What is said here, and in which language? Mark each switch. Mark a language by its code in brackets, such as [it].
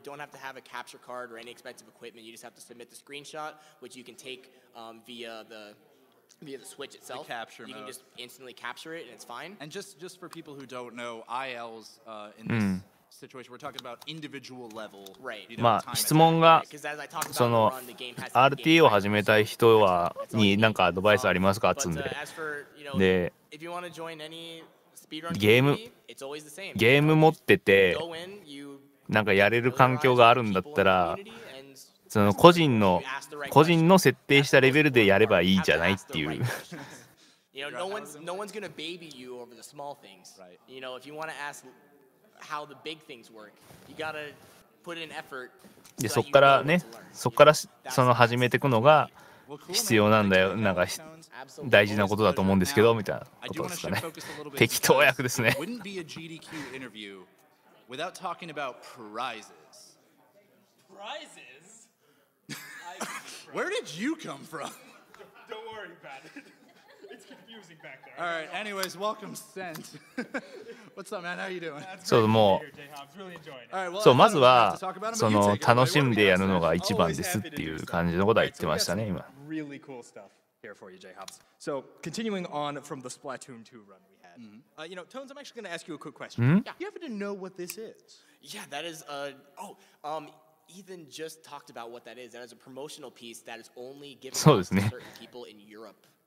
[en] You don't have to have a capture card or any expensive equipment. You just have to submit the screenshot, which you can take via the Switch itself. The capture mode. You can just instantly capture it, and it's fine. And just for people who don't know, ILs in this situation, we're talking about individual level, right. You know, [ja] まあ質問がその RTA を始めたい人はに何かアドバイスありますかつんで、でゲーム持っててなんかやれる環境があるんだったら、その個人の設定したレベルでやればいいじゃないっていう。 [en] You know, no one's gonna baby you over the small things. You know, if you wanna ask how the big things work, you gotta put in effort. [ja] でそっからね、そっからその始めていくのが必要なんだよ、なんか大事なことだと思うんですけどみたいなことですかね。適当役ですね。 [en] Wouldn't be a GDQ interview without talking about prizes. Prizes? Where did you come from? Don't worry about it. It's confusing back there. All right. Anyways, welcome, Sent. What's up, man? How you doing? [ja] そう、もう、そう、まずはその楽しんでやるのが一番ですっていう感じのことは言ってましたね、今。 [en] Really cool stuff here for you, J-Hops. So, continuing on from the Splatoon 2 run we had. You know, Tones, I'm actually going to ask you a quick question. You happen to know what this is? Yeah, that is a Ethan just talked about what that is. That is a promotional piece that is only given to certain people in Europe.